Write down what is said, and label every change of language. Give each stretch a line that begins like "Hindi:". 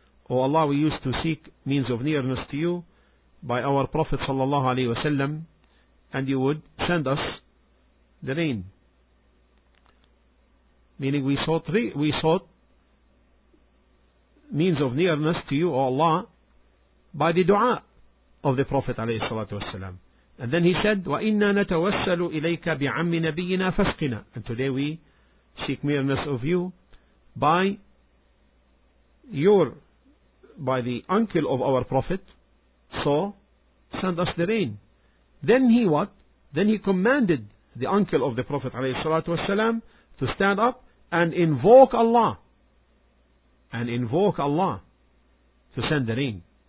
English: Oh Allah, we used to seek means of nearness to you by our Prophet
Arabic: صلى الله عليه وسلم,
English: and you would send us the rain. Meaning we sought means of nearness to you, oh Allah, by the dua of the Prophet
Arabic: عليه الصلاة والسلام.
English: And then he said,
Arabic: وَإِنَّا نَتَوَسَّلُ إِلَيْكَ بِعَمِّ نَبِيِّنَا فَسْقِنَا.
English: And today we seek nearness of you by the uncle of our Prophet, so send us the rain. Then he commanded the uncle of the Prophet
Arabic: عليه الصلاة والسلام
English: to stand up and invoke Allah to send the rain.